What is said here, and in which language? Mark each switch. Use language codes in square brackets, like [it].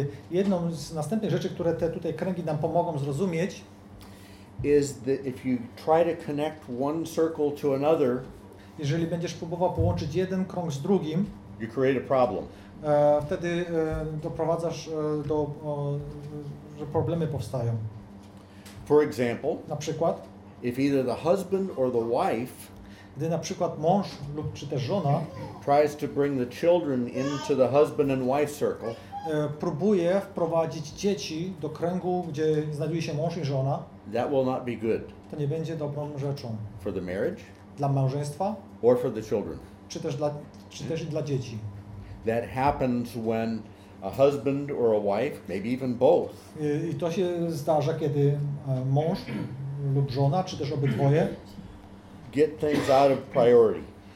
[pl] Jedną z następnych rzeczy, które te tutaj kręgi nam pomogą zrozumieć, [en] is that if you try to connect one circle to another, [pl] jeżeli będziesz próbował połączyć jeden krąg z drugim, [en] you create a problem. [pl] Wtedy doprowadzasz do, że problemy powstają. [en] For example, [pl] na przykład, [en] if either the husband or the wife, [pl] gdy na przykład mąż lub czy też żona [en] tries to bring the children into the husband and wife circle, [pl] próbuje wprowadzić dzieci do kręgu, gdzie znajduje się mąż i żona, [en] that will not be good. [pl] To nie będzie dobrą rzeczą. [en] For the marriage, [pl] dla małżeństwa, [en] or for the children. [pl] Czy też dla dzieci. [en] That happens when a husband or a wife, maybe even both. [pl] I to się zdarza, kiedy mąż lub żona, czy też obydwoje, [en] get things out of priority.